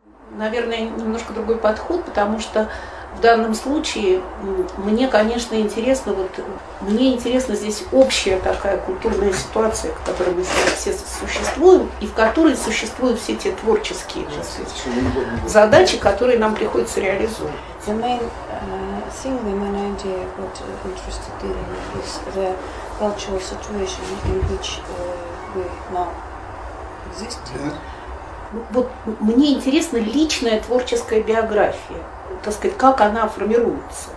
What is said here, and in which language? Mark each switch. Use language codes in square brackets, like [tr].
[ru] наверное, немножко другой подход, потому что в данном случае мне, конечно, интересно, вот мне интересна здесь общая такая культурная ситуация, в которой мы все существуем, и в которой существуют все те творческие задачи, которые нам приходится реализовывать. [en] The main thing, the main idea, what I'm interested in is the cultural situation in which we now exist. [ru] Вот мне интересна личная творческая биография, так сказать, как она формируется.